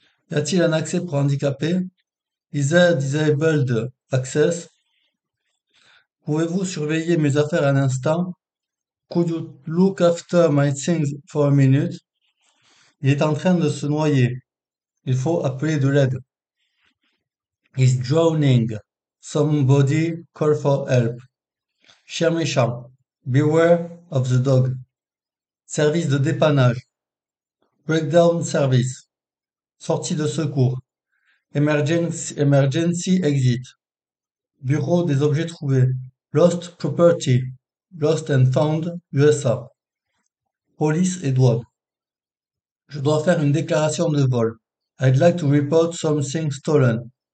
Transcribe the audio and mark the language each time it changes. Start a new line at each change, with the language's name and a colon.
French: Y a-t-il un accès pour handicapés?
English: Is there disabled access?
French: Pouvez-vous surveiller mes affaires un instant?
English: Could you look after my things for a minute?
French: Il est en train de se noyer. Il faut appeler de l'aide.
English: He's drowning. Somebody call for help.
French: Chien méchant.
English: Beware of the dog.
French: Service de dépannage.
English: Breakdown service.
French: Sortie de secours.
English: Emergency exit.
French: Bureau des objets trouvés.
English: Lost property. Lost and found, USA.
French: Police et douane. Je dois faire une déclaration de vol.
English: I'd like to report something stolen.